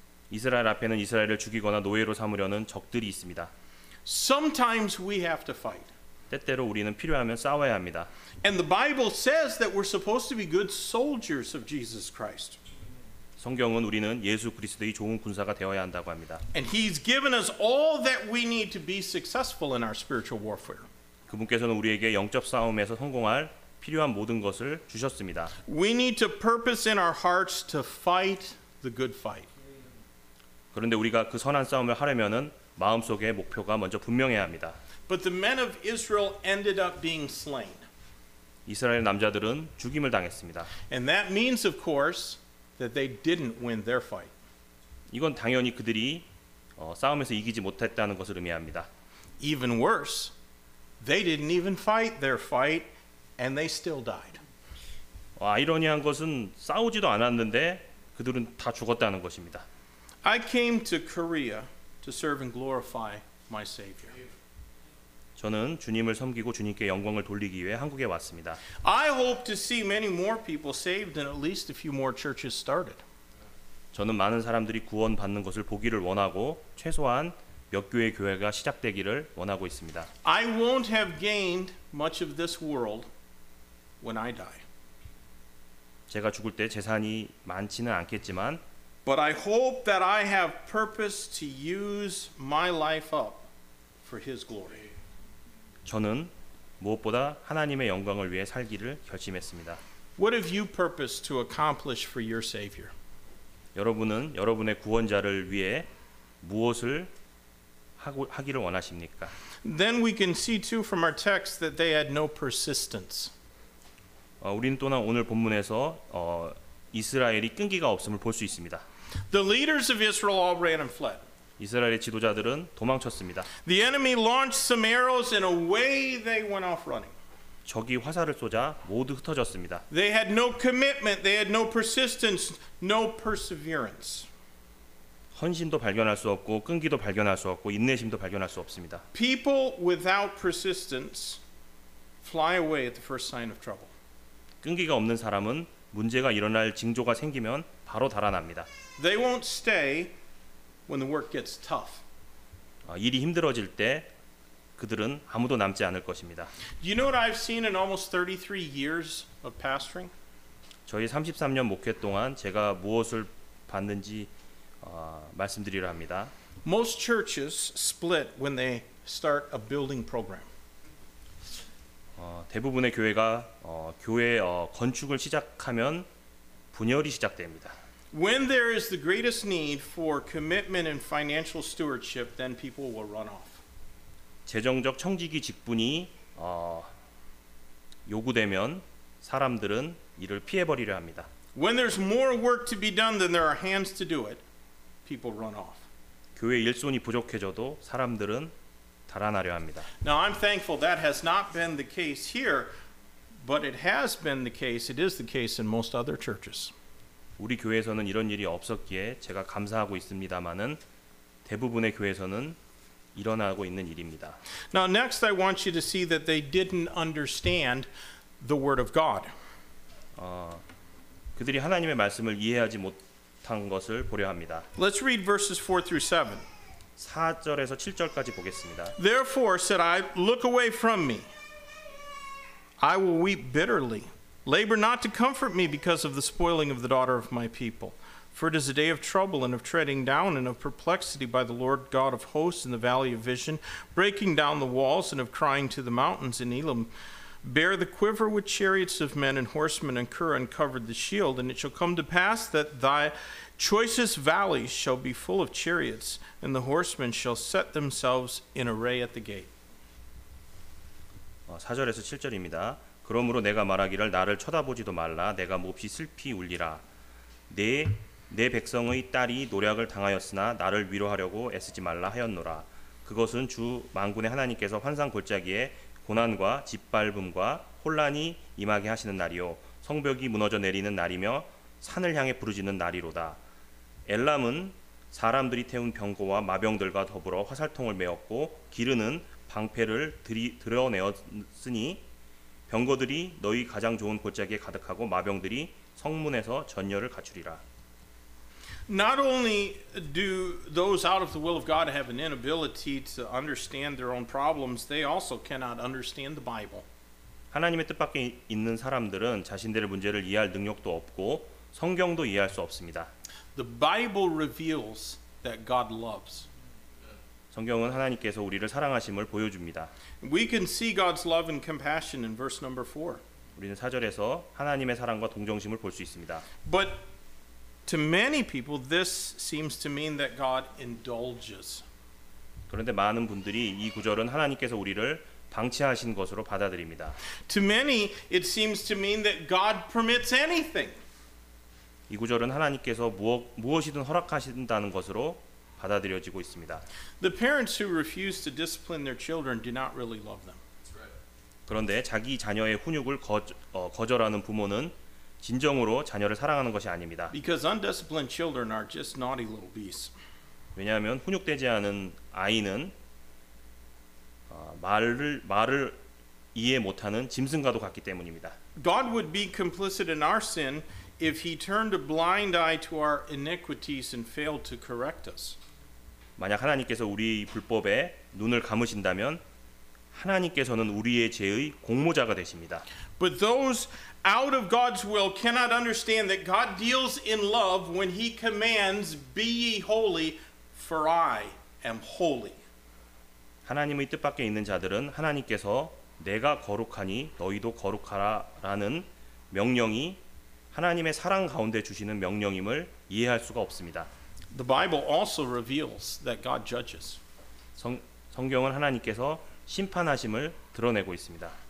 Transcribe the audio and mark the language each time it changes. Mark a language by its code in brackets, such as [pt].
[ko] 이스라엘 앞에는 이스라엘을 죽이거나 노예로 삼으려는 적들이 있습니다. [en] Sometimes we have to fight. [ko] 때때로 우리는 필요하면 싸워야 합니다. [en] And the Bible says that we're supposed to be good soldiers of Jesus Christ. [ko] 성경은 우리는 예수 그리스도의 좋은 군사가 되어야 한다고 합니다. [en] And he's given us all that we need to be successful in our spiritual warfare. [ko] 그분께서는 우리에게 영적 싸움에서 성공할 필요한 모든 것을 주셨습니다. [en] We need to purpose in our hearts to fight the good fight. [ko] 그런데 우리가 그 선한 싸움을 하려면은 마음속에 목표가 먼저 분명해야 합니다. [en] But the men of Israel ended up being slain. [ko] 이스라엘 남자들은 죽임을 당했습니다. [en] And that means of course that they didn't win their fight. [ko] 이건 당연히 그들이 싸움에서 이기지 못했다는 것을 의미합니다. [en] Even worse, they didn't even fight their fight and they still died. [ko] 아이러니한 것은 싸우지도 않았는데 그들은 다 죽었다는 것입니다. [en] I came to Korea to serve and glorify my savior. [ko] 저는 주님을 섬기고 주님께 영광을 돌리기 위해 한국에 왔습니다. [en] I hope to see many more people saved and at least a few more churches started. [ko] 저는 많은 사람들이 구원받는 것을 보기를 원하고 최소한 몇 교회 교회가 시작되기를 원하고 있습니다. [en] I won't have gained much of this world when I die. [ko] 제가 죽을 때 재산이 많지는 않겠지만 [en] But I hope that I have purpose to use my life up for his glory. [ko] 저는 무엇보다 하나님의 영광을 위해 살기를 결심했습니다. [en] What have you purpose to accomplish for your savior? [ko] 여러분은 여러분의 구원자를 위해 무엇을 하기를 원하십니까? [en] Then we can see too from our text that they had no persistence. [ko] 우리는 또나 오늘 본문에서 이스라엘이 끈기가 없음을 볼 수 있습니다. [en] The leaders of Israel all ran and fled. [ko] 이스라엘의 지도자들은 도망쳤습니다. [en] The enemy launched some arrows and away they went off running. [ko] 적이 화살을 쏘자 모두 흩어졌습니다. [en] They had no commitment, they had no persistence, no perseverance. [ko] 헌신도 발견할 수 없고 끈기도 발견할 수 없고 인내심도 발견할 수 없습니다. [en] People without persistence fly away at the first sign of trouble. [ko] 끈기가 없는 사람은 문제가 일어날 징조가 생기면 바로 달아납니다. [en] They won't stay when the work gets tough. [ko] 일이 힘들어질 때 그들은 아무도 남지 않을 것입니다. [en] Do you know what I've seen in almost 33 years of pastoring? [ko] 저희 33년 목회 동안 제가 무엇을 봤는지 말씀드리려 합니다. [en] Most churches split when they start a building program. [ko] 대부분의 교회가 교회 건축을 시작하면 분열이 시작됩니다. [en] When there is the greatest need for commitment and financial stewardship, then people will run off. [ko] 재정적 청지기 직분이 요구되면 사람들은 이를 피해버리려 합니다. [en] When there's more work to be done than there are hands to do it, people run off. [ko] 교회 일손이 부족해져도 사람들은 달아나려 합니다. [en] Now I'm thankful that has not been the case here, but it has been the case. It is the case in most other churches. [ko] 우리 교회에서는 이런 일이 없었기에 제가 감사하고 있습니다만은 대부분의 교회에서는 일어나고 있는 일입니다. [en] Now next I want you to see that they didn't understand the word of God. [ko] 그들이 하나님의 말씀을 이해하지 못한 것을 보려 합니다. [en] Let's read verses 4 through 7. [ko] 4절에서 7절까지 보겠습니다. [en] Therefore said I, look away from me. I will weep bitterly. Labor not to comfort me because of the spoiling of the daughter of my people. For it is a day of trouble and of treading down and of perplexity by the Lord God of hosts in the valley of vision, breaking down the walls and of crying to the mountains in Elam. Bear the quiver with chariots of men and horsemen and Kur uncovered the shield. And it shall come to pass that thy choicest valleys shall be full of chariots and the horsemen shall set themselves in array at the gate. [ko] 4절에서 7절입니다. 그러므로 내가 말하기를 나를 쳐다보지도 말라 내가 몹시 슬피 울리라 내 백성의 딸이 노략을 당하였으나 나를 위로하려고 애쓰지 말라 하였노라 그것은 주 만군의 하나님께서 환상 골짜기에 고난과 짓밟음과 혼란이 임하게 하시는 날이요 성벽이 무너져 내리는 날이며 산을 향해 부르짖는 날이로다 엘람은 사람들이 태운 병거와 마병들과 더불어 화살통을 메었고 기르는 방패를 드러내었으니 병거들이 너희 가장 좋은 골짜기에 가득하고 마병들이 성문에서 전열을 갖추리라. [en] Not only do those out of the will of God have an inability to understand their own problems, they also cannot understand the Bible. [ko] 하나님의 뜻 밖에 있는 사람들은 자신들의 문제를 이해할 능력도 없고 성경도 이해할 수 없습니다. [en] The Bible reveals that God loves. [ko] 성경은 하나님께서 우리를 사랑하심을 보여줍니다. [en] We can see God's love and compassion in verse number 4. [ko] 우리는 4절에서 하나님의 사랑과 동정심을 볼 수 있습니다. [en] But to many people this seems to mean that God indulges. [ko] 그런데 많은 분들이 이 구절은 하나님께서 우리를 방치하신 것으로 받아들입니다. [en] To many it seems to mean that God permits anything. [ko] 이 구절은 하나님께서 무엇이든 허락하신다는 것으로 받아들여지고 있습니다. [en] The parents who refuse to discipline their children do not really love them. [ko] 그런데 자기 자녀의 훈육을 거절하는 부모는 진정으로 자녀를 사랑하는 것이 아닙니다. [en] Because undisciplined children are just naughty little beasts. [ko] 왜냐하면 훈육되지 않은 아이는 말을 이해 못하는 짐승과도 같기 때문입니다. [en] God would be complicit in our sin if he turned a blind eye to our iniquities and failed to correct us. [ko] 만약 하나님께서 우리 불법에 눈을 감으신다면 하나님께서는 우리의 죄의 공모자가 되십니다. [en] But those out of God's will cannot understand that God deals in love when he commands be ye holy for I am holy. [ko] 하나님의 뜻 밖에 있는 자들은 하나님께서 내가 거룩하니 너희도 거룩하라라는 명령이 하나님의 사랑 가운데 주시는 명령임을 이해할 수가 없습니다. [en] The Bible also reveals that God judges. [ko] 성경은 하나님께서 심판하심을 드러내고 있습니다.